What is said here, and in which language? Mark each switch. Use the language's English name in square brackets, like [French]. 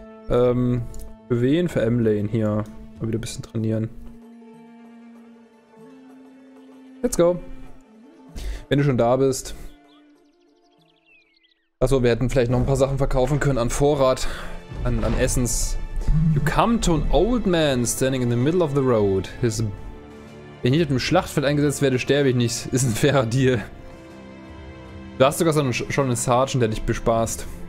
[German] Für wen? Für M-Lane hier. Mal wieder ein bisschen trainieren. [English] Let's go. [German] Wenn du schon da bist. Achso, wir hätten vielleicht noch ein paar Sachen verkaufen können an Vorrat. An Essens. [English] You come to an old man standing in the middle of the road. [German] Wenn ich nicht auf dem Schlachtfeld eingesetzt werde, sterbe ich nicht. Ist ein fairer Deal. Du hast sogar schon einen Sergeant, der dich bespaßt.